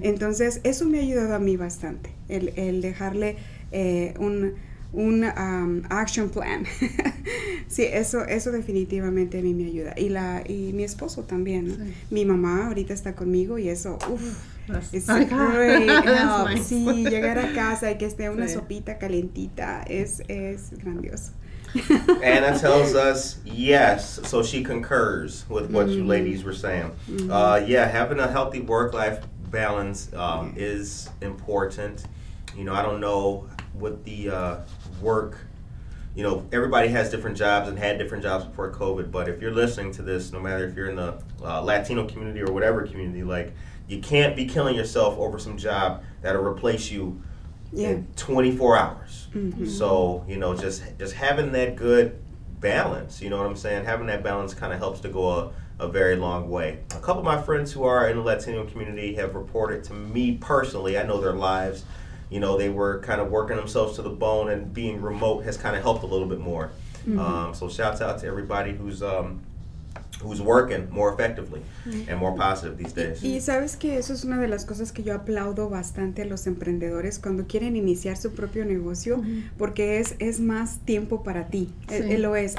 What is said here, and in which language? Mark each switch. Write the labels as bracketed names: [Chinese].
[Spanish] Entonces, eso me ha ayudado a mí bastante, el dejarle un [English] action plan. [Spanish] Sí, eso definitivamente a mí me ayuda. Y mi esposo también, ¿no? Sí. Mi mamá ahorita está conmigo y eso, [English] it's great. [Spanish] Sí, llegar a casa y que esté una sopita calientita es grandioso. [English] Anna tells us yes, so she concurs with what you ladies were saying. Having a healthy work-life balance is important. You know, I don't know what the work, you know, everybody has different jobs and had different jobs before COVID, but if you're listening to this, no matter if you're in the Latino community or whatever community, like, you can't be killing yourself over some job that'll replace you in 24 hours. Mm-hmm. So, you know, just having that good balance, you know what I'm saying? Having that balance kind of helps to go a very long way. A couple of my friends who are in the Latino community have reported to me personally, I know their lives, you know, they were kind of working themselves to the bone, and being remote has kind of helped a little bit more. Mm-hmm. So shouts out to everybody who's working more effectively and more positive these days. [Spanish] Y sabes que eso es una de las cosas que yo aplaudo bastante a los emprendedores cuando quieren iniciar su propio negocio, porque es más tiempo para ti. Sí. Lo es.